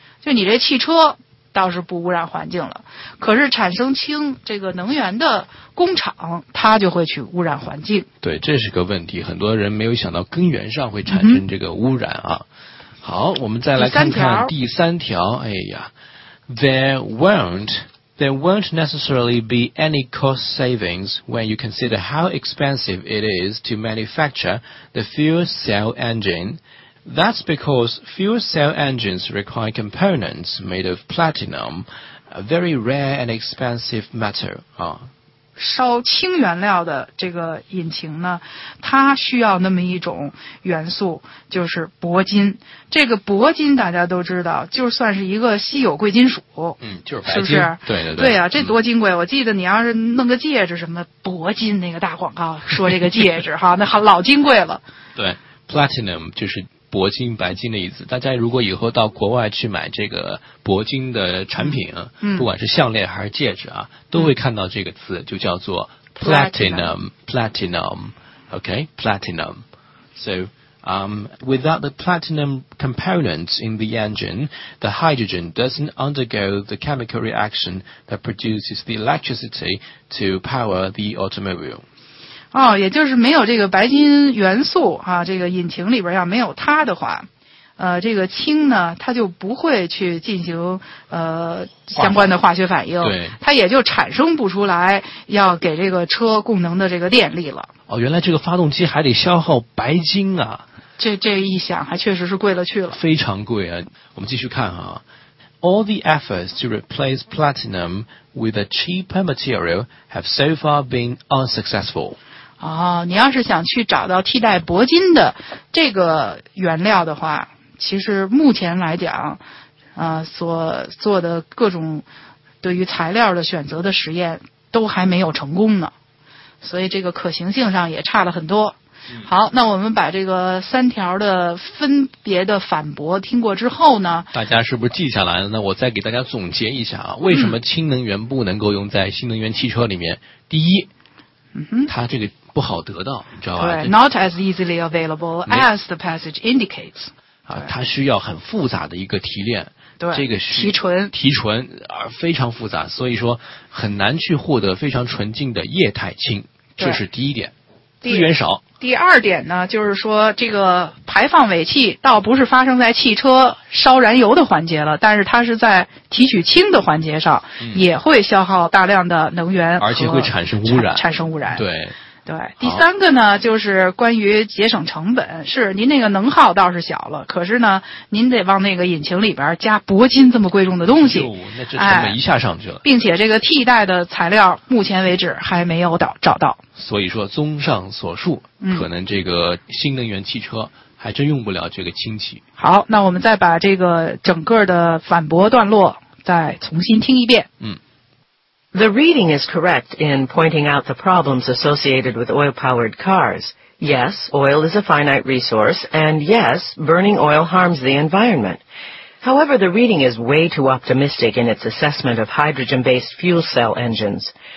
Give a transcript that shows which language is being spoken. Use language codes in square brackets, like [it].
[zh] 就你这汽车。倒是不污染环境了，可是产生氢这个能源的工厂，它就会去污染环境。对，这是个问题，很多人没有想到根源上会产生这个污染啊。嗯、好，我们再来看看第三条。哎呀 [en] ，there won't necessarily be any cost savings when you consider how expensive it is to manufacture the fuel cell engine. That's because fuel cell engines require components made of platinum, a very rare and expensive metal. [zh] 啊，烧氢原料的这个引擎呢，它需要那么一种元素，就是铂金。这个铂金大家都知道，就算是一个稀有贵金属。嗯，就是白金。是不是？对对对。对呀、啊，这多金贵！我记得你要是弄个戒指什么铂金那个大广告，说这个戒指哈，那好老金贵了。对 ，platinum 就是。铂金白金的意思，大家如果以后到国外去买这个铂金的产品、嗯、不管是项链还是戒指啊，都会看到这个词，就叫做 platinum. [en] So, without the platinum components in the engine, the hydrogen doesn't undergo the chemical reaction that produces the electricity to power the automobile. [zh] 哦，也就是没有这个白金元素啊，这个引擎里边要没有它的话，这个氢呢，它就不会去进行相关的化学反应，对，它也就产生不出来要给这个车供能的这个电力了。哦，原来这个发动机还得消耗白金啊！这一想，还确实是贵了去了，非常贵啊！我们继续看啊 [en] ，All the efforts to replace platinum with a cheaper material have so far been unsuccessful. [zh] 哦，你要是想去找到替代铂金的这个原料的话，其实目前来讲，所做的各种对于材料的选择的实验都还没有成功呢，所以这个可行性上也差了很多。好，那我们把这个三条的分别的反驳听过之后呢，大家是不是记下来了？那我再给大家总结一下啊，为什么氢能源不能够用在新能源汽车里面？第一，它这个不好得到，你知道吧？对 [en] ，not as easily available as the passage indicates。 [zh] 啊，它需要很复杂的一个提炼，对，这个提纯，提纯而非常复杂，所以说很难去获得非常纯净的液态氢，这是第一点。资源少。第二点呢，就是说这个排放尾气倒不是发生在汽车烧燃油的环节了，但是它是在提取氢的环节上，嗯、也会消耗大量的能源，而且会产生污染，产生污染，对。对，第三个呢，就是关于节省成本。是您那个能耗倒是小了，可是呢，您得往那个引擎里边加铂金这么贵重的东西，那这成本一下上去了、哎。并且这个替代的材料目前为止还没有找到。所以说，综上所述，可能这个新能源汽车还真用不了这个氢气。好，那我们再把这个整个的反驳段落再重新听一遍。嗯。 [en] The reading is correct in pointing out the problems associated with oil-powered cars. Yes, oil is a finite resource, and yes, burning oil harms the environment. However, the reading is way too optimistic in its assessment of hydrogen-based fuel cell engines.